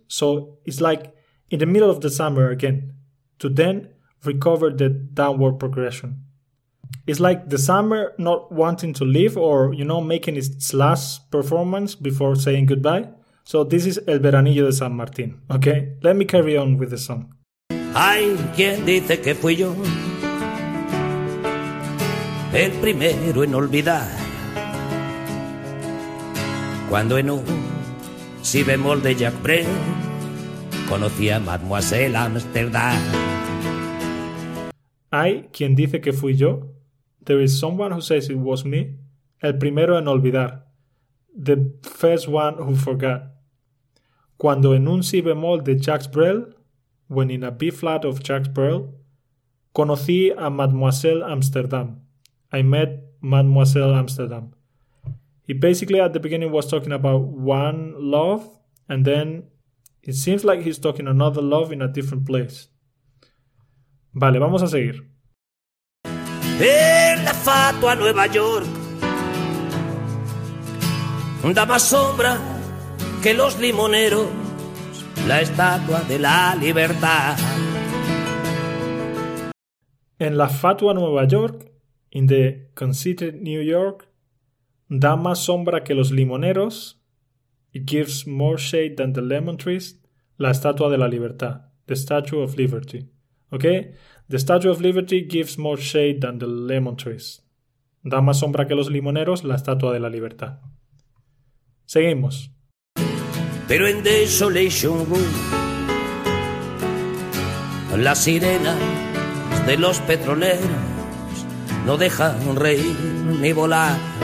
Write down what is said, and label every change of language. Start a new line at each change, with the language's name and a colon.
English: So it's like in the middle of the summer again, to then recover the downward progression. It's like the summer not wanting to leave, or, you know, making its last performance before saying goodbye. So this is El Veranillo de San Martín, okay? Let me carry on with the song.
Spanish: Hay quien dice que fui yo el primero en olvidar, cuando en un si bemol de Jacques Brel conocí a Mademoiselle Amsterdam. Hay quien dice que fui yo.
English: There is someone who says it was me.
Spanish: El primero en olvidar.
English: The first one who forgot.
Spanish: Cuando en un si bemol de Jacques Brel,
English: when in a B flat of
Spanish: Jacques Brel, conocí a Mademoiselle Amsterdam.
English: I met Mademoiselle Amsterdam. He basically at the beginning was talking about one love, and then it seems like he's talking another love in a different place.
Spanish: Vale, vamos a seguir. En la fatua Nueva York, da más sombra que los limoneros, la estatua de la libertad. En la fatua Nueva York,
English: in the conceited New York,
Spanish: da más sombra que los limoneros,
English: it gives more shade than the lemon trees,
Spanish: la estatua de la libertad,
English: the Statue of Liberty, okay? The Statue of Liberty gives more shade than the lemon trees.
Spanish: Da más sombra que los limoneros, la estatua de la libertad. Seguimos. Pero en Desolation Room, las sirenas de los petroleros no dejan reír ni volar.